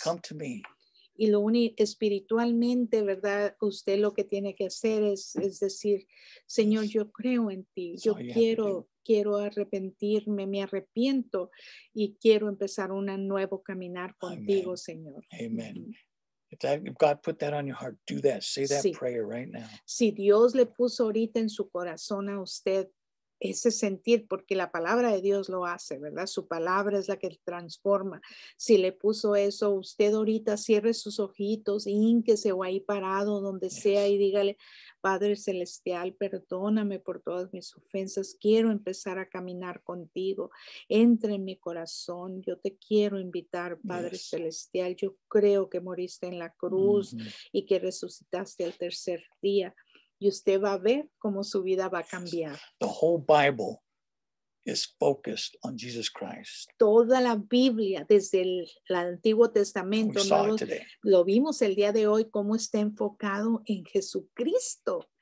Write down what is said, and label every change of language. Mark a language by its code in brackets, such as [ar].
[en] Says, come to me. [es] Y lo único, espiritualmente, ¿verdad? Usted lo que tiene que hacer es decir: Señor, yo creo en ti, yo quiero arrepentirme, me arrepiento y quiero empezar un nuevo caminar contigo, [en] Amen. [es] Señor. [en] Amen. If God put that on your heart, do that. Say that prayer right now. [es] Si Dios le puso ahorita en su corazón a usted ese sentir, porque la palabra de Dios lo hace, ¿verdad? Su palabra es la que transforma. Si le puso eso, usted ahorita cierre sus ojitos, hínquese o ahí parado, donde sea, y dígale: Padre Celestial, perdóname por todas mis ofensas. Quiero empezar a caminar contigo. Entra en mi corazón. Yo te quiero invitar, Padre Celestial. Yo creo que moriste en la cruz y que resucitaste al tercer día. Y usted va a ver cómo su vida va a cambiar. [en] The whole Bible is focused on Jesus Christ. [es] Toda la Biblia, desde el Antiguo Testamento, lo vimos el día de hoy, cómo está enfocado en Jesucristo.